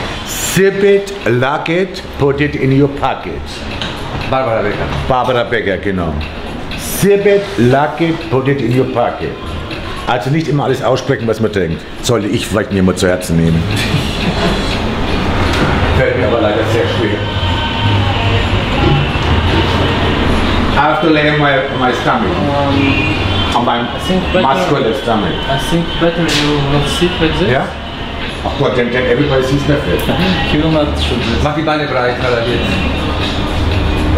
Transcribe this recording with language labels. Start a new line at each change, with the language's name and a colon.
English: Zip it, lock it, put it in your pocket. Barbara Becker.
German: Barbara Becker, genau.
English: Zip it, lock it, put it in your pocket.
German: Also nicht immer alles aussprechen, was man denkt. Sollte ich vielleicht mir mal zu Herzen nehmen. Fällt mir aber leider sehr schwer.
English: I have to lay on my stomach. On my muscular stomach. I think better you not sit like this. Yeah?
German: Ach Gott,
English: then everybody sees my face.
German: Mach die Beine breit, Karl, jetzt.